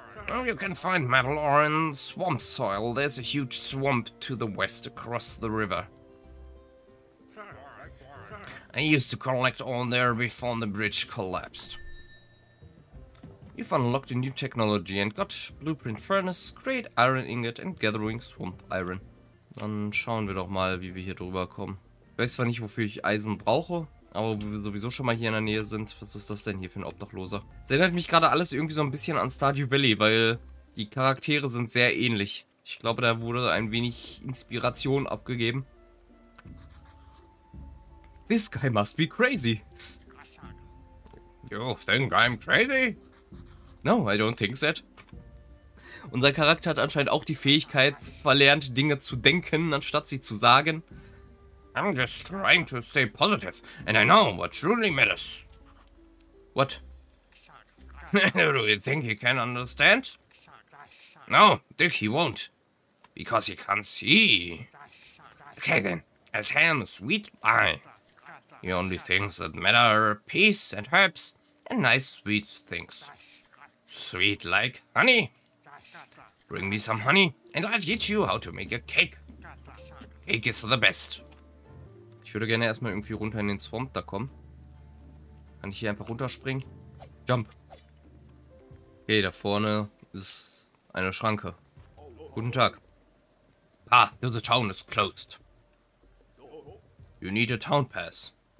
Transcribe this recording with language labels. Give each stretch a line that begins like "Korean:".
English: Oh, you can find metal ore in swamp soil. There's a huge swamp to the west across the river. I used to collect ore there before the bridge collapsed. You've unlocked a new technology and got blueprint furnace, great iron ingot and gathering swamp iron.
German: Dann schauen wir doch mal, wie wir hier drüber kommen. Ich weiß zwar nicht, wofür ich Eisen brauche, aber wo wir sowieso schon mal hier in der Nähe sind, was ist das denn hier für ein Obdachloser? Es erinnert mich gerade alles irgendwie so ein bisschen an Stardew Valley, weil die Charaktere sind sehr ähnlich. Ich glaube, da wurde ein wenig Inspiration abgegeben.
English: This guy must be crazy. You think I'm crazy? No, I don't think that.
German: Unser Charakter hat anscheinend auch die Fähigkeit verlernt, Dinge zu denken, anstatt sie zu sagen.
English: I'm just trying to stay positive, and I know what truly matters. What? Do you think he can understand? No, Dick, he won't. Because he can't see. Okay then, I'll tell him a sweet lie. He only thinks that matter are peace and herbs and nice sweet things. Sweet like honey. Bring me some honey, and I'll teach you how to make a cake. Cake is the best.
German: Ich würde gerne erstmal irgendwie runter in den Swamp da kommen. Kann ich hier einfach runterspringen? Jump. Okay, da vorne ist eine Schranke. Guten Tag.
English: Path to the town is closed. You need a town pass.